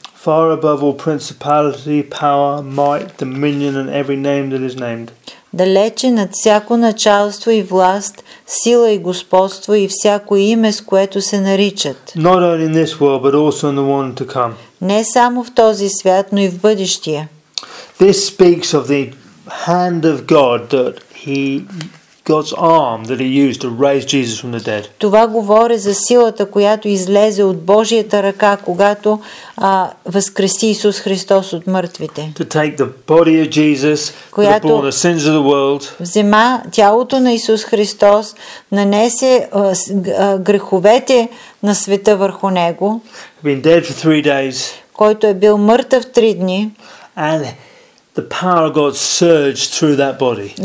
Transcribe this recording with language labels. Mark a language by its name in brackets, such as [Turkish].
[English] Far above all principality, power, might, dominion and every name that is named. [Bulgarian] Далече над всяко началство и власт, сила и господство и всяко име, с което се наричат. [English] Not only in this world, but also in the one to come. [Bulgarian] Не само в този свят, но и в бъдещия. [English] This speaks of the hand of God that he God's arm that he used to raise Jesus from the dead. [Bulgarian] Това говори за силата, която излезе от Божията ръка, когато възкреси Исус Христос от мъртвите. [English] To take the body of Jesus, [Bulgarian] която [English] bore the sins of the world. [Bulgarian] Взема тялото на Исус Христос, нанесе греховете на света върху него. [English] Been dead for three days. [Bulgarian] Който е бил мъртъв три дни. [English] And the power of God surged through that body.